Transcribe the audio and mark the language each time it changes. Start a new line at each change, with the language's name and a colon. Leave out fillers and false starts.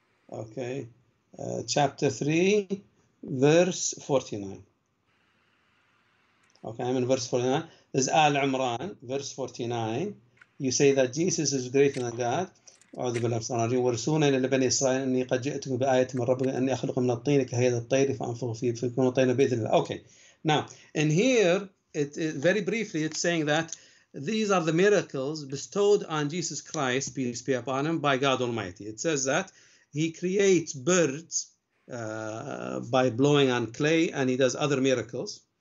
English: Okay. Chapter 3, verse 49. Okay, I'm in verse 49. This is Al-Imran, verse 49. You say that Jesus is greater than God.
Arabic: أعوذ بالله من الشيطان الرجيم ورسولا إلى بني إسرائيل أني قد جئتكم بآية من ربكم أني أخلق من الطين كهيئة الطير فأنفخ فيه فيكون طينا بإذن الله.
English: Okay. Now, and here, very briefly, it's saying that these are the miracles bestowed on Jesus Christ, peace be upon him, by God Almighty. It says that he creates birds by blowing on clay, and he does other miracles.